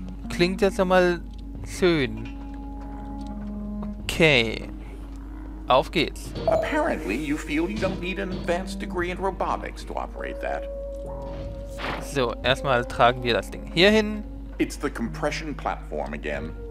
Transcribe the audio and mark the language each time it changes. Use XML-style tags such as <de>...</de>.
<de>Klingt jetzt einmal schön. Okay. Auf geht's.</de> <en>Apparently, you feel you don't need an advanced degree in robotics to operate that.</en> <de>So, erstmal tragen wir das Ding hier hin.</de> <en>It's the compression platform again.</en>